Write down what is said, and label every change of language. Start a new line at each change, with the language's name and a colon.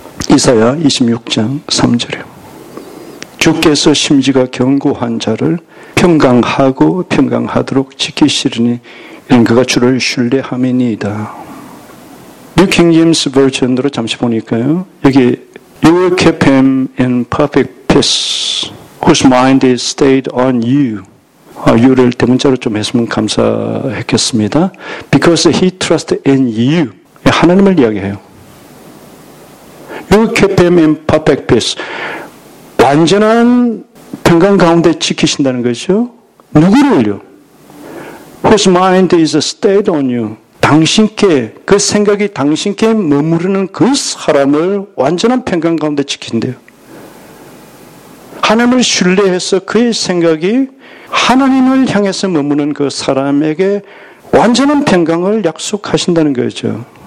Korean: 이사야 26장 3절이요. 주께서 심지가 견고한 자를 평강하고 평강하도록 지키시리니 이는 그가 주를 신뢰함이니이다. 뉴 킹 제임스 버전으로 잠시 보니까요. 여기
English: You will keep him in perfect peace whose mind is stayed on you.
Korean: 유를 대문자로 좀 했으면 감사했겠습니다.
English: Because he trusts in you.
Korean: 하나님을 이야기해요.
English: You will keep him in perfect peace.
Korean: 완전한 평강 가운데 지키신다는 거죠. 누구를요?
English: Whose mind is stayed on you.
Korean: 당신께, 그 생각이 당신께 머무르는 그 사람을 완전한 평강 가운데 지킨대요. 하나님을 신뢰해서 그의 생각이 하나님을 향해서 머무는 그 사람에게 완전한 평강을 약속하신다는 거죠.